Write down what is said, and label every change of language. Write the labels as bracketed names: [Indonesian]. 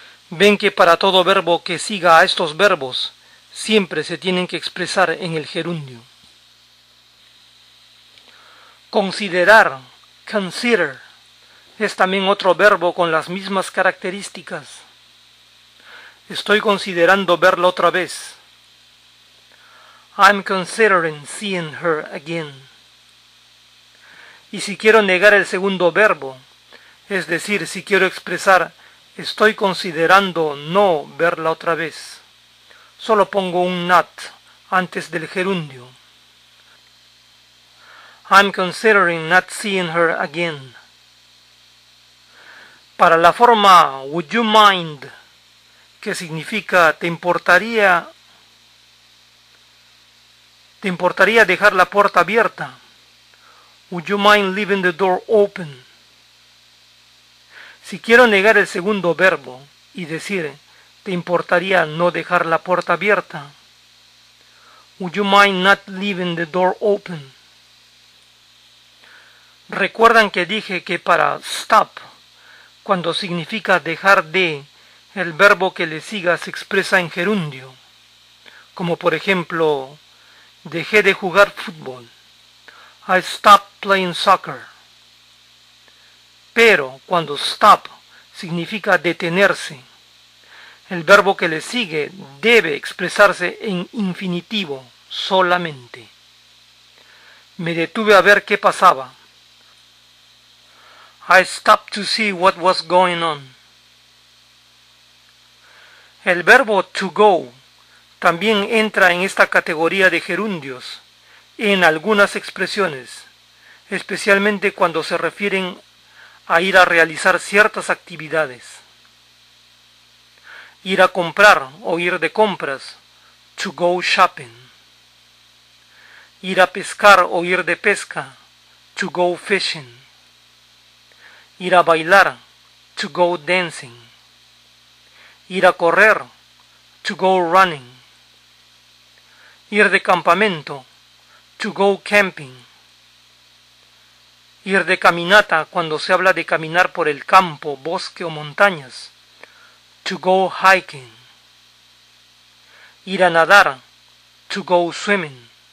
[Spanish] Ven que para todo verbo que siga a estos verbos, siempre se tienen que expresar en el gerundio. Considerar, consider, es también otro verbo con las mismas características. Estoy considerando verla otra vez. [English] I'm considering seeing her again. [Spanish] Y si quiero negar el segundo verbo, es decir, si quiero expresar estoy considerando no verla otra vez, solo pongo un not antes del gerundio. [English] I'm considering not seeing her again. [Spanish] Para la forma [English] would you mind, [Spanish] que significa te importaría dejar la puerta abierta. [English] Would you mind leaving the door open? [Spanish] Si quiero negar el segundo verbo y decir te importaría no dejar la puerta abierta. [English] Would you mind not leaving the door open? [Spanish] Recuerdan que dije que para stop, cuando significa dejar de, el verbo que le siga se expresa en gerundio. Como por ejemplo, dejé de jugar fútbol. [English] I stopped playing soccer. [Spanish] Pero cuando stop significa detenerse, el verbo que le sigue debe expresarse en infinitivo solamente. Me detuve a ver qué pasaba. [English] I stopped to see what was going on. [Spanish] El verbo to go también entra en esta categoría de gerundios en algunas expresiones, especialmente cuando se refieren a ir a realizar ciertas actividades. Ir a comprar o ir de compras, [English] to go shopping. [Spanish] Ir a pescar o ir de pesca, [English] to go fishing. [Spanish] Ir a bailar, [English] to go dancing. [Spanish] Ir a correr, [English] to go running. [Spanish] Ir de campamento, [English] to go camping. [Spanish] Ir de caminata, cuando se habla de caminar por el campo, bosque o montañas, [English] to go hiking. [Spanish] Ir a nadar, [English] to go swimming.